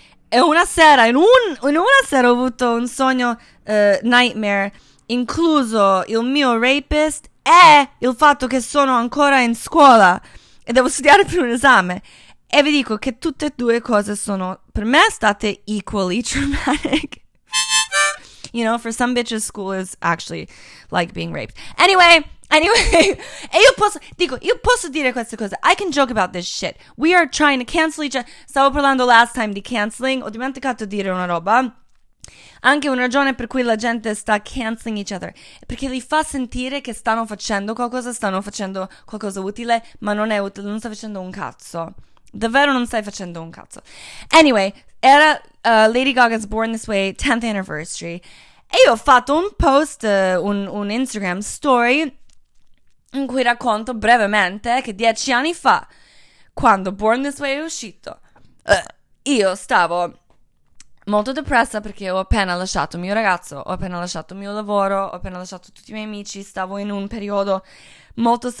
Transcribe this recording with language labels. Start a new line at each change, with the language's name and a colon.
Italian: E una sera, in una sera ho avuto un sogno nightmare, incluso il mio rapist e il fatto che sono ancora in scuola e devo studiare per un esame. E vi dico che tutte e due cose sono per me state
English: equally traumatic. You know, for some bitches, school is actually like being raped.
Italian: Anyway, io posso dire queste cose.
English: I can joke about this shit. We are trying to cancel each other.
Italian: Stavo parlando
English: last time di canceling.
Italian: Ho dimenticato di dire una roba. Anche una ragione per cui la gente sta
English: canceling each other.
Italian: Perché li fa sentire che stanno facendo qualcosa utile, ma non è utile, non sta facendo un cazzo. Davvero non stai facendo un cazzo.
English: Anyway, era Lady Gaga's Born This Way 10th anniversary.
Italian: E io ho fatto un post, un Instagram story, in cui racconto brevemente che 10 anni fa, quando Born This Way è uscito, io stavo molto depressa perché ho appena lasciato mio ragazzo, ho appena lasciato il mio lavoro, ho appena lasciato tutti I miei amici, stavo in un periodo molto...